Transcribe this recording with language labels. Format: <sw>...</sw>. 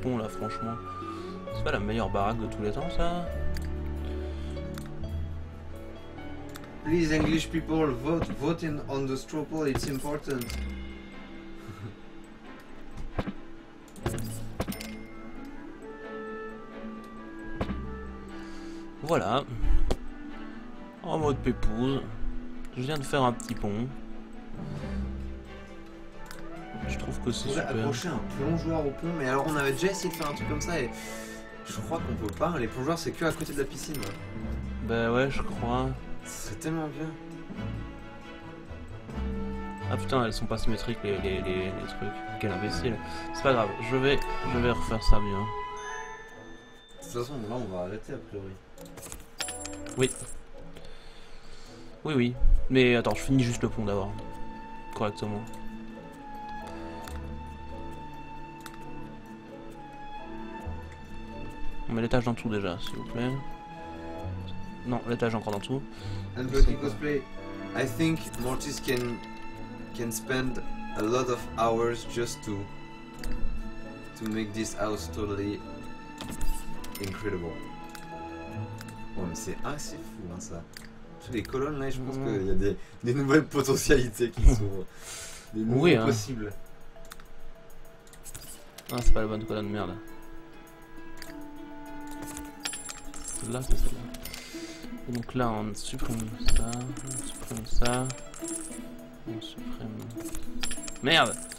<fr>Franchement, c'est pas la meilleure baraque de tous les temps, ça.</fr> <en>Please, English people, vote, voting on the straw poll, it's important.</en> <fr>Voilà. En mode pépouze, je viens de faire un petit pont. On pourrait accrocher un plongeoir au pont, mais alors on avait déjà essayé de faire un truc comme ça et je crois qu'on peut pas. Les plongeoirs c'est que à côté de la piscine. Ouais. Bah ouais, je crois. C'est tellement bien. Ah putain, elles sont pas symétriques les trucs. Quel imbécile. C'est pas grave, je vais refaire ça bien. De toute façon, là on va arrêter a priori. Oui. Oui. Mais attends, je finis juste le pont d'abord. Correctement. On met l'étage d'en dessous déjà, s'il vous plaît. Non, l'étage encore d'en dessous.</fr> <en>And Bloody Cosplay, I think Mortis can spend a lot of hours just to make this house totally incredible.</en> <fr>Oh, mais c'est assez fou hein, ça. Toutes les colonnes là, je pense qu'il y a des nouvelles potentialités qui s'ouvrent. Oui, hein. Possibles. Ah, c'est pas la bonne colonne, merde. Là, c'est celle-là. Donc là, on supprime ça, on supprime ça, on supprime. Merde!</fr>